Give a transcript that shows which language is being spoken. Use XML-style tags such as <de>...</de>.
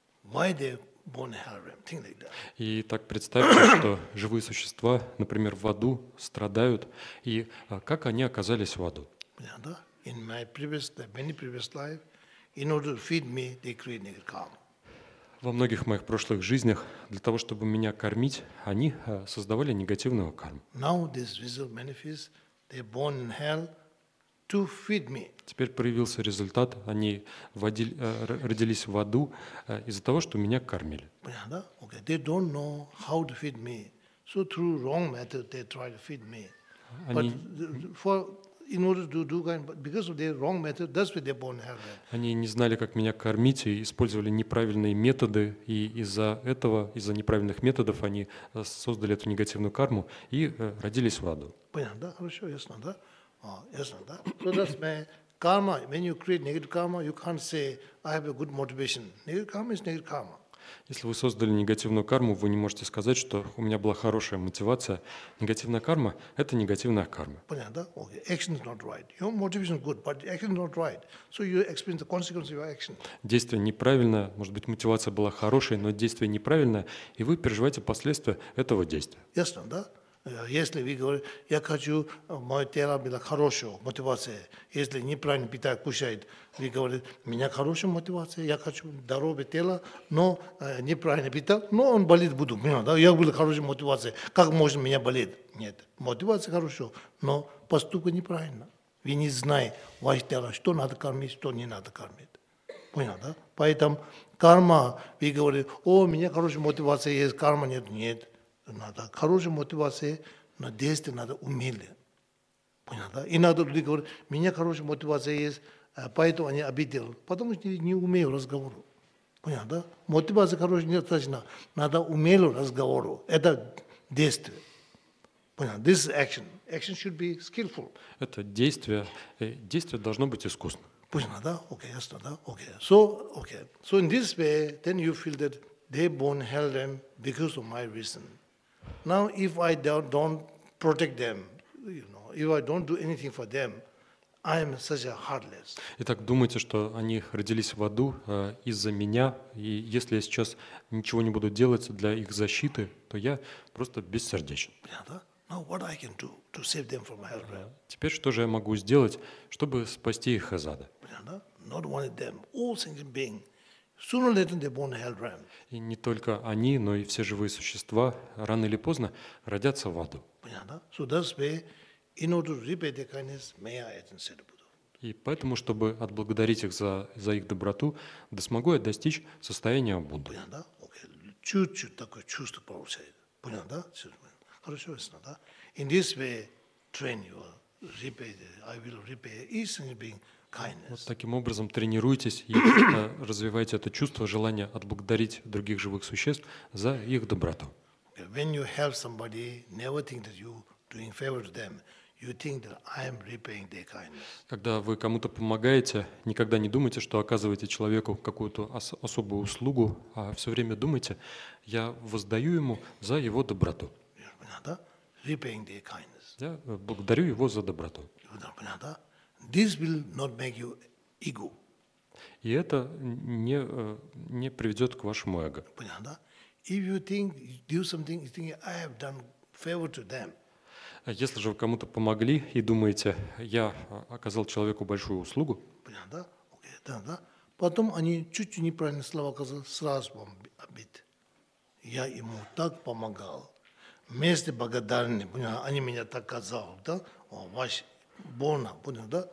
<en>Why they born in hell realm, think like that.</en> <ru>И так представьте, что живые существа, например, в аду страдают, и как они оказались в аду?</ru> <en>In my previous, many previous life, in order to feed me, they create negative karma.</en> <ru>Во многих моих прошлых жизнях для того, чтобы меня кормить, они создавали негативную карму.</ru> <en>Now this result manifests, they're born in hell, to feed me.</en> <ru>Теперь проявился результат. Они родились в аду из-за того, что меня кормили. Понятно?</ru> <en>Okay. They don't know how to feed me. So through wrong method they try to feed me.</en> <ru>Они...</ru> <en>But for in order to do kind, because of their wrong method, that's why they're born hell.</en> <ru>Они не знали, как меня кормить, и использовали неправильные методы, и из-за этого, из-за неправильных методов, они создали эту негативную карму и родились в аду. Понятно, да? Хорошо, ясно, да? А, ясно, да?</ru> <en>So that's my karma. When you create negative karma, you can't say, I have a good motivation. Negative karma is negative karma.</en> <ru>Если вы создали негативную карму, вы не можете сказать, что у меня была хорошая мотивация. Негативная карма – это негативная карма. Понятно, да?</ru> <en>Okay. Action is not right. Your motivation is good, but action is not right. So you experience the consequence of your action.</en> <ru>Действие неправильное, может быть, мотивация была хорошей, но действие неправильное, и вы переживаете последствия этого действия. Ясно, да? Если вы говорите, я хочу, мое тело было хорошее, мотивация. Если неправильно питает, кушает, вы говорите, у меня хорошая мотивация, я хочу здоровое тело, но неправильно питает, но он болит буду. Да? Я был хорошей мотивацией, как можно меня болеть? Нет, мотивация хорошая, но поступка неправильно. Вы не знаете ваше тело, что надо кормить, что не надо кормить. Понятно, да? Поэтому карма, вы говорите, о, у меня хорошая мотивация есть, карма нет, нет. Надо хорошая мотивация, но действие надо умелее. Понятно, да? Иногда люди говорят, у меня хорошая мотивация есть, поэтому они обидели, потому что не умею разговору. Понятно, да? Мотивация хорошая недостаточно, надо умелее разговору. Это действие. Понятно?</ru> <en>This is action. Action should be skillful.</en> <ru>Это действие. Действие должно быть искусным. Понятно, да? Окей, ясно, да? Окей.</ru> <en>So, okay. So in this way, then you feel that they born hell them because of my reason. Now, if I don't protect them, you know, if I don't do anything for them, I am such a heartless.</en> <ru>Итак, думайте, что они родились в аду из-за меня, и если я сейчас ничего не буду делать для их защиты, то я просто бессердечен.</ru> <en>Now, what I can do to save them from hell?</en> <ru>Теперь что же я могу сделать, чтобы спасти их из ада?</ru> <en>Not only them, all sentient beings. Sooner or later they born hell realm.</en> <ru>И не только они, но и все живые существа рано или поздно родятся в аду. Понятно?</ru> <en>So that's why, in order to repay their kindness, may I attain the Buddha.</en> <ru>И поэтому, чтобы отблагодарить их за их доброту, да смогу я достичь состояния Будды. Понятно? Okay. Чуть-чуть такое чувство получает. Понятно? Да? Хорошо, ясно, да?</ru> <en>In this way, train you, repay, I will repay each single being.</en> <ru>Вот таким образом тренируйтесь и развивайте это чувство желания отблагодарить других живых существ за их доброту.</ru> <en>When you help somebody, never think that you doing favor to them. You think that I am repaying their kindness.</en> <ru>Когда вы кому-то помогаете, никогда не думайте, что оказываете человеку какую-то особую услугу, а все время думайте, я воздаю ему за его доброту.</ru> <en>Repaying their kindness.</en> <ru>Я благодарю его за доброту.</ru> <en>This will not make you ego.</en> <ru>И это не приведет к вашему эго. Понятно, да?</ru> <en>If you think you do something, you think I have done favor to them.</en> <ru>Если же вы кому-то помогли и думаете, я оказал человеку большую услугу. Понятно, да? Okay, да, да. Потом они чуть-чуть неправильные слова сказали, сразу вам обид. Я ему так помогал. Вместе благодарны. Понятно, они меня так сказали, да? О, ваш больно, понятно, да?</ru>